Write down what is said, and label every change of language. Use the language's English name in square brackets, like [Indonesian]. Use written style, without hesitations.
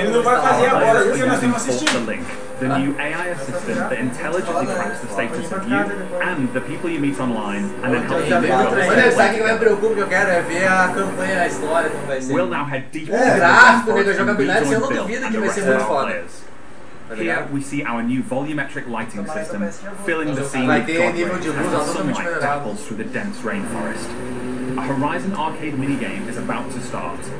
[Portuguese] Ele não vai fazer agora, porque nós temos assistindo. [English] Link, the new AI assistant that intelligently tracks the status of you and the people you meet online, and then helps you live your life. [Portuguese] Olha, sabe o que me preocupa? Que eu quero é ver a campanha, a história que vai ser. [English] We'll now head deep into the [Portuguese] gráfico, né, da jogabilidade. Eu não duvido que vai ser muito foda. [English] Here we see our new volumetric lighting system filling the scene with godlike as the sunlight dapples through the dense rainforest. A Horizon arcade minigame is about to start.